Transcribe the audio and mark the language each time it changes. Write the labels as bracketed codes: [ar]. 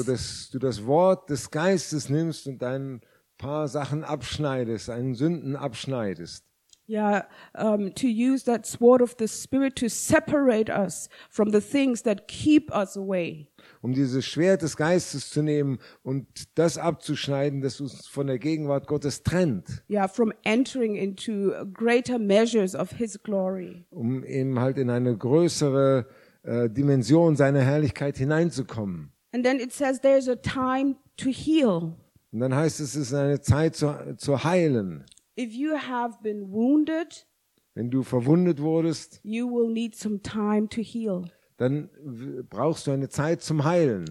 [de] So dass du das Wort des Geistes nimmst und ein paar Sachen abschneidest, einen Sünden abschneidest. [en] Yeah, to use that sword of the Spirit to separate us from the things that keep us away. [de] Um dieses Schwert des Geistes zu nehmen und das abzuschneiden, das uns von der Gegenwart Gottes trennt. [en] Yeah, from entering into greater measures of His glory. [de] Um eben halt in eine größere Dimension seiner Herrlichkeit hineinzukommen. [en] And then it says, there's a time to heal. [de] Und dann heißt es, es ist eine Zeit zu heilen. [en] If you have been wounded, [de] wenn du verwundet wurdest, [en] you will need some time to heal. [de] Dann brauchst du eine Zeit zum Heilen.